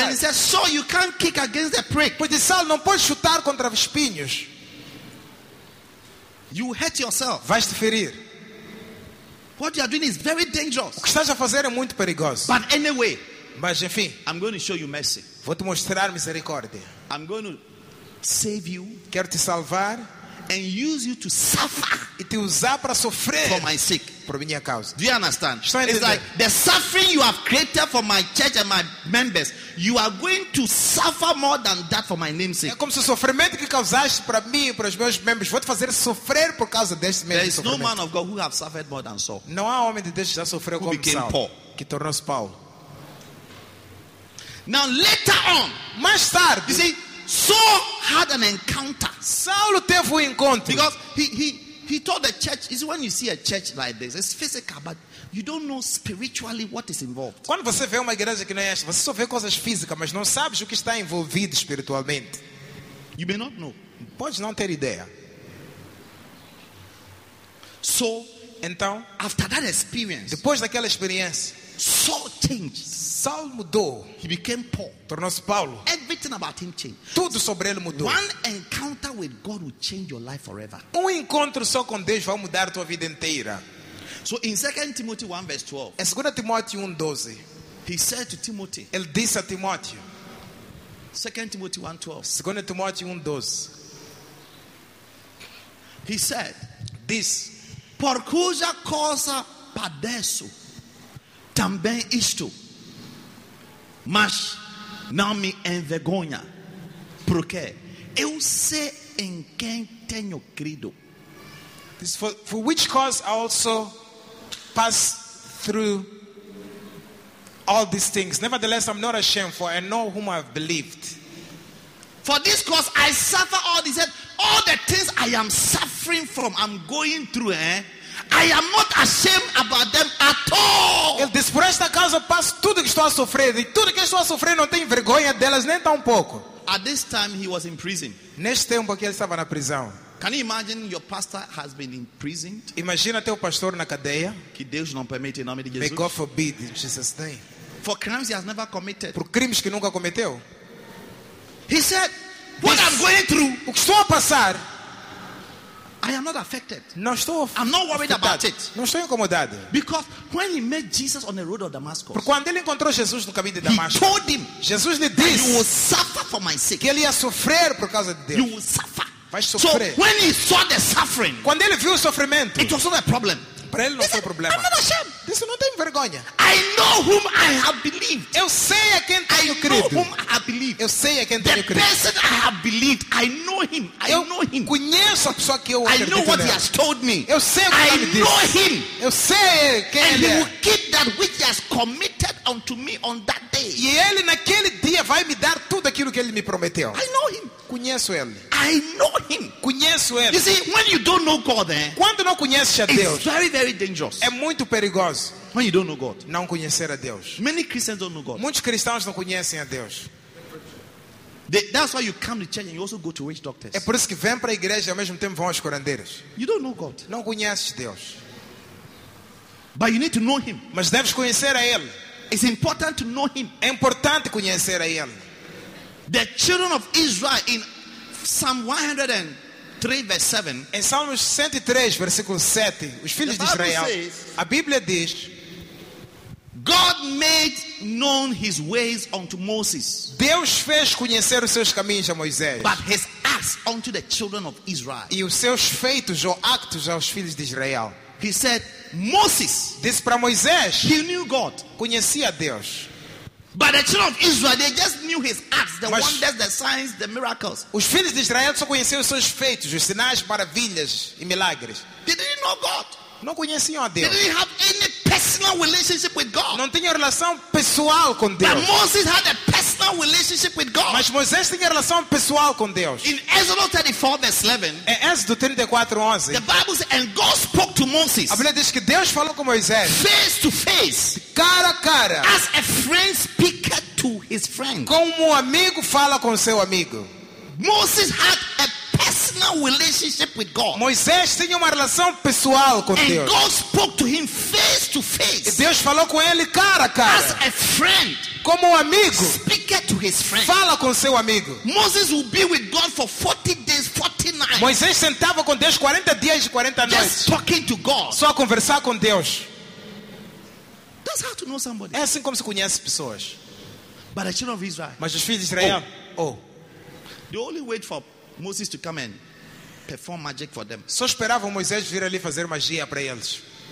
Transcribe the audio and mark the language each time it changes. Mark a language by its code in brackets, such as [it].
[en] Then he says, so you can't kick against the prick. [pt] Pois diz, Saul, não podes chutar contra espinhos. [en] You hurt yourself. [pt] Vais te ferir. [en] What you are doing is very dangerous. [pt] O que estás a fazer é muito perigoso. [en] But anyway. [pt] Mas enfim, [en] I'm going to show you mercy. [pt] Vou te mostrar misericórdia. [en] I'm going to save you. [pt] Quero te salvar. [en] And use you to suffer. [pt] E te usar para sofrer. [en] For my sake. [pt] Por minha causa. [en] Do you understand? [pt] Estou a entender? [en] It's like the suffering you have created for my church and my members. You are going to suffer more than that for my name's sake. [pt] É como se o sofrimento que causaste para mim e para os meus membros. Vou te fazer sofrer por causa deste mesmo sofrimento. [en] There is no man of God who have suffered more than Saul. [pt] Não há homem de Deus que já sofreu [en] who [pt] como Saul. [en] Paul. [pt] Que tornou-se Paulo. [en] Now later on, [pt] mais tarde, [en] you see, Saul had an encounter. [pt] Saulo teve um encontro. [en] Because he told the church, is when you see a church like this, it's physical, but you don't know spiritually what is involved. [pt] Quando você vê uma igreja que não é esta, você só vê coisas físicas, mas não sabes o que está envolvido espiritualmente. [en] You may not know. [pt] Pode não ter ideia. [en] So, [pt] então, [en] after that experience, [pt] depois daquela experiência, [en] Saul changes. [pt] Saul mudou. [en] He became Paul. [pt] Tornou-se Paulo. [en] Everything about him changed. [pt] Tudo sobre ele mudou. [en] One encounter with God will change your life forever. [pt] Um encontro só com Deus vai mudar a tua vida inteira. [en] So in 2 Timothy 1 verse 12. [pt] Em 2 Timóteo 1 12. [en] He said to Timothy. [pt] Ele disse a Timóteo. [en] 2 Timothy 1 12. [pt] 2 Timóteo 1 12. [en] He said. This. [pt] Por cuja causa padeço. Também isto. Mas não me envergonha, porque eu sei em quem tenho crido. [en] This for which cause I also pass through all these things. Nevertheless, I'm not ashamed, for I know whom I have believed. For this cause I suffer all these, all the things I am suffering from, I'm going through, I am not ashamed about them at all. [pt] Ele disse, por esta causa passo tudo que estou a sofrer. E tudo que estou a sofrer não tenho vergonha delas nem tão pouco. [en] At this time he was in prison. [pt] Neste tempo aqui ele estava na prisão. [en] Can you imagine your pastor has been imprisoned? [pt] Imagina teu pastor na cadeia. Que Deus não permite em nome de Jesus. [en] May God forbid in Jesus' name. For crimes he has never committed. [pt] Por crimes que nunca cometeu. [en] He said, what this, I'm going through. [pt] O que estou a passar. [en] I am not affected. [pt] Não estou [en] I'm not worried [pt] afetado. [en] About it. [pt] Não estou incomodado. [en] Because when he met Jesus on the road of Damascus. [pt] Porque quando ele encontrou Jesus no caminho de Damasco. [en] He told him. [pt] Jesus lhe disse. [en] You will suffer for my sake. [pt] Que ele ia sofrer por causa de Deus. [en] You will suffer. [pt] Vai sofrer. [en] So when he saw the suffering. [pt] Quando ele viu o sofrimento. [en] It was not a problem. [pt] Para ele não [en] he [pt] foi [en] said, [pt] problema. [en] I'm not ashamed. [pt] Disse, não tenho vergonha. [en] I know whom I have believed. [pt] Eu sei a quem tenho crido. [en] I know whom I have believed. [pt] Eu sei a quem [en] the [pt] tenho crido. [en] The person I have believed, I know him. I [pt] eu [en] know him. [pt] Conheço a pessoa que eu acredito. [en] I know what [pt] nela. [en] He has told me. [pt] Eu sei o que [en] I [pt] ele disse. [en] I know him. [pt] Eu sei quem [en] and [pt] ele é. [en] He will keep that which he has committed unto me on that day. [pt] E ele naquele dia vai me dar tudo aquilo que ele me prometeu. [en] I know him. [pt] conheço ele. [en] I know him. [pt] Conheço ele. [en] You see, when you don't know God, eh, [pt] quando não conheces a Deus, [en] it's very, very dangerous. [pt] É muito perigoso. [en] When you don't know God, [pt] não conhecer a Deus. [en] Many Christians don't know God. [pt] Muitos cristãos não conhecem a Deus. [en] That's why you come to church and you also go to witch doctors. [pt] É por isso que vem para a igreja e ao mesmo tempo vão aos curandeiros. [en] You don't know God. [pt] Não conheces Deus. [en] But you need to know him. [pt] Mas deves conhecer a ele. [en] It's important to know him. [pt] É importante conhecer a ele. [en] The children of Israel in Psalm 103 verse 7. [pt] Em Salmos 103 versículo 7, os filhos de Israel. A Bíblia diz: [en] God made known his ways unto Moses. [pt] Deus fez conhecer os seus caminhos a Moisés. [en] But his acts unto the children of Israel. [pt] E os seus feitos ou actos aos filhos de Israel. [en] He said, Moses. [pt] Disse para Moisés. [en] He knew God. [pt] Conhecia Deus. [en] But the children of Israel, they just knew his acts, the [pt] Mas [en] wonders, the signs, the miracles. [pt] Os filhos de Israel só conheciam os seus feitos, os sinais, maravilhas e milagres. [en] They didn't know God. [pt] Não conheciam a Deus. [en] They didn't have any personal relationship with God. [pt] Não tinha relação pessoal com Deus. [en] But Moses had a personal relationship with God. [pt] Mas Moisés tinha relação pessoal com Deus. [en] In Exodus 34 verse 11. [pt] Em Êxodo 34:11. [en] The Bible says, and God spoke to Moses. [pt] A Bíblia diz que Deus falou com Moisés. [en] Face to face. [pt] Cara a cara. [en] As a friend speaks to his friend. [pt] Como amigo fala com seu amigo. [en] Moses had a personal relationship with God. [pt] Moisés tinha uma relação pessoal com [en] and [pt] Deus. [en] And God spoke to him face to face. [pt] E Deus falou com ele cara a cara. [en] As a friend. [pt] Como amigo. [en] Speak to his friend. [pt] Fala com seu amigo. [en] Moses would be with God for 40 days, 40 nights. [pt] Moisés sentava com Deus 40 dias e 40 [en] just Just talking to God. [pt] Só a conversar com Deus. [en] That's how to know somebody. [pt] É assim como se conhece pessoas. [en] But the children of Israel. [pt] Mas os filhos de Israel. Oh. [en] They only wait for Moses to come and perform magic for them. [pt] Só esperavam Moisés vir ali fazer magia para eles.